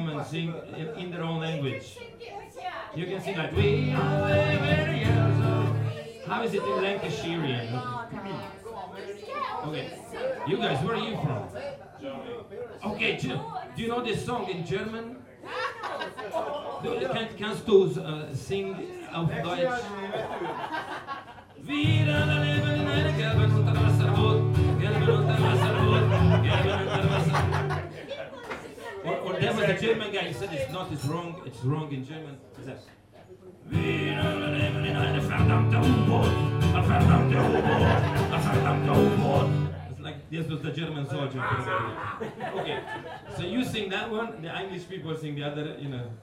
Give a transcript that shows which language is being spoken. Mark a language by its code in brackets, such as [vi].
[en] Sing in their own language. You can sing like, we are very young. How is it in Lancashirian? Okay. You guys, where are you from? Okay, do you know this song in German? [de] Kannst du sing auf Deutsch? Wir alle leben in einer gelben Unterwasserboot. Gelben Unterwasserboot. Gelben Unterwasserboot. [en] Or that was a German guy, he said it's wrong in German. He says, [de] wir alle leben in einer verdammten U-Boot, [en] a [de] verdammte U-Boot, [en] a [de] verdammte U-Boot. [en] It's like, This was the German soldier. Okay, so you sing that one, the English people sing the other, you know.